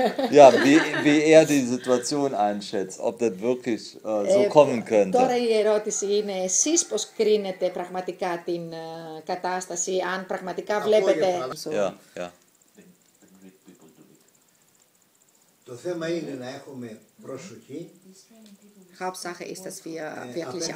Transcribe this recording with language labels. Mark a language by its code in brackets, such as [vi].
[de] Ja, wie er die Situation einschätzt, ob das wirklich so kommen könnte. [el] Τώρα η ερώτηση είναι εσείς πώς κρίνετε πραγματικά την κατάσταση, αν πραγματικά βλέπετε... Το θέμα είναι να έχουμε προσοχή. [de] Hauptsache ist, dass wir wirklich